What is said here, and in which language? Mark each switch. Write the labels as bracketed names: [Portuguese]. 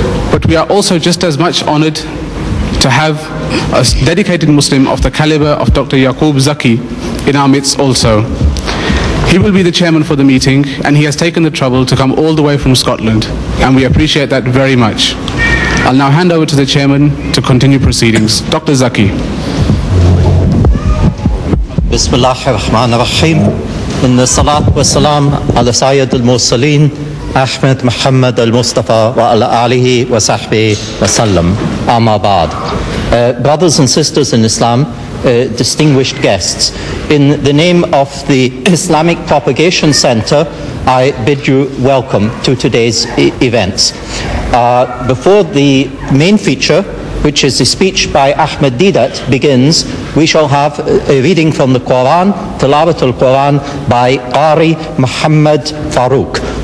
[English] But we are also just as much honored to have a dedicated Muslim of the caliber of Dr. Yaqub Zaki in our midst also. He will be the chairman for the meeting, and he has taken the trouble to come all the way from Scotland, and we appreciate that very much. I'll now hand over to the chairman to continue proceedings. Dr. Zaki. [Arabic] بسم الله الرحمن الرحيم إن الصلاة والسلام على سيد المرسلين أحمد محمد المصطفى وعلى آله وصحبه وسلم أما بعد. [English] Brothers and sisters in Islam, distinguished guests, in the name of the Islamic Propagation Center, I bid you welcome to today's events. Before the main feature, which is the speech by Ahmed Deedat, begins, we shall have a reading from the Quran, Tilawat al-Quran, by Qari Muhammad Farooq.